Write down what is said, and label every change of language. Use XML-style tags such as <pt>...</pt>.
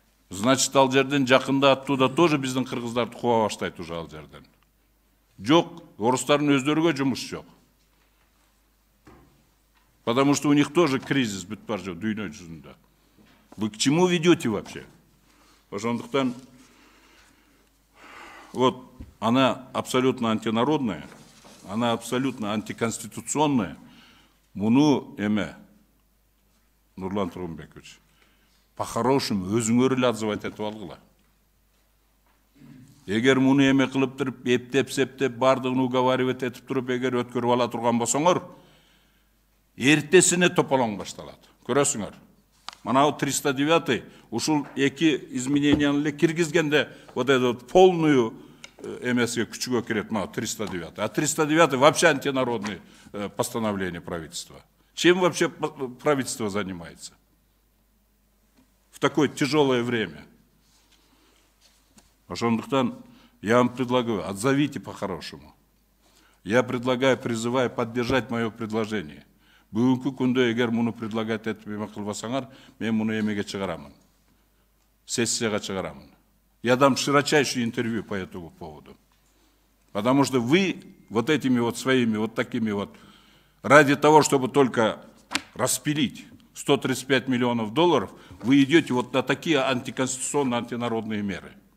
<ky>Значит, ал жерден жакында оттуда тоже биздин кыргыздарды кууа баштайт уже ал жерден. Жок, орустардын өздөргө жумуш жок.</ky> <ru>Потому что у них тоже кризис</ru> <ky>бүт бар жок дүйнө жүзүндө.</ky> <ru>Вы к чему ведете вообще? Ошондуктан вот она абсолютно антинародная, она абсолютно антиконституционная.</ru> <ky>Муну эме Нурлан Тургунбекович.</ky> <ru>По-хорошему,</ru> <ky>өзүңөр эле отзывать этип алгыла. Эгер муну эме кылып туруп, эптеп-септеп, бардыгын уговаривать этип туруп, эгер өткөрүп ала турган болсоңор, эртесине тополоң башталат. Көрөсүңөр. Манагы 309-й ушул эки изменениянын эле киргизгенде</ky> <ru>вот этот полную</ru> <ky>эмеске күчүгө кирет мага 309-й.</ky> <ru>А 309-й вообще антинародный постановление правительства. Чем вообще правительство занимается? В такое тяжелое время. Ошондуктан я вам предлагаю, отзовите по-хорошему. Я предлагаю, призываю поддержать мое предложение.</ru> <ky>Бүгүнкү күндө эгер муну предлагать этип эме кылбасаңар, мен муну эмеге чыгарамын. Сессияга чыгарамын.</ky> <ru>Я дам широчайшее интервью по этому поводу. Потому что вы вот этими вот своими, вот такими вот, ради того, чтобы только распилить 135 миллионов долларов, вы идете вот на такие антиконституционные, антинародные меры.</ru>